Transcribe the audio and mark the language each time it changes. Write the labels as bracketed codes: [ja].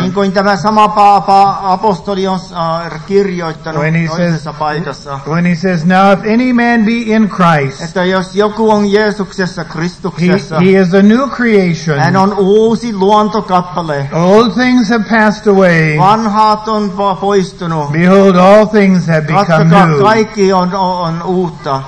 [fi] niin kuin tämä sama apostoli on kirjoittanut toisessa paikassa, [en] when he says, now if any man be in Christ, [fi] että jos joku on Jeesuksessa Kristuksessa, [en] he is a new creation, [fi] hän on uusi luontokappale, [en] all things have passed away. [fi] Vanhat on poistunut. [en] Behold, all things have become new. [fi] Katsokaa, kaikki on uutta.